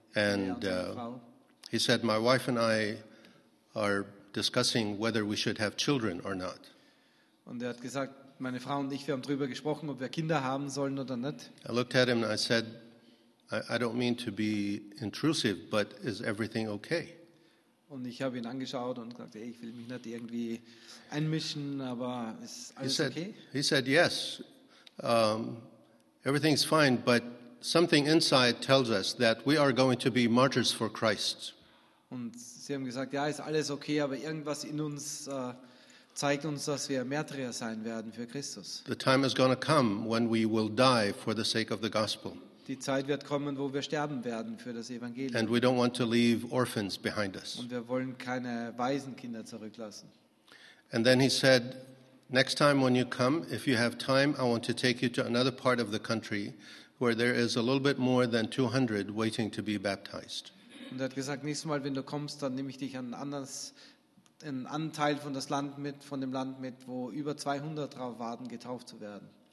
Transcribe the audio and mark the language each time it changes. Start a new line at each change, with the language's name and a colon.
English: And he said, my wife and I are discussing whether we should have children or not.
German: Und er hat gesagt, meine Frau und ich, wir haben drüber gesprochen, ob wir Kinder haben sollen oder nicht.
English: I looked at him and I said, I don't mean to be intrusive, but is everything okay?
German: Und ich habe ihn angeschaut und gesagt, ich will mich nicht irgendwie einmischen, aber ist alles okay?
English: He said, yes, everything's fine, but something inside tells us that we are going to be martyrs for Christ.
German: Und sie haben gesagt, ja, ist alles okay, aber irgendwas in uns zeigt uns, dass wir Märtyrer sein werden für Christus.
English: The time is going to come when we will die for the sake of the gospel.
German: Die Zeit wird kommen, wo wir sterben werden für das Evangelium.
English: And we don't want to leave orphans behind us.
German: Und wir wollen keine Waisenkinder zurücklassen.
English: And then he said, next time when you come, if you have time, I want to take you to another part of the country where there is a little bit more than 200 waiting to be baptized.
German: Und er hat gesagt, nächstes Mal, wenn du kommst, dann nehme ich dich an einen Teil von das Land mit, von dem Land mit, wo über 200 drauf warten, getauft zu werden.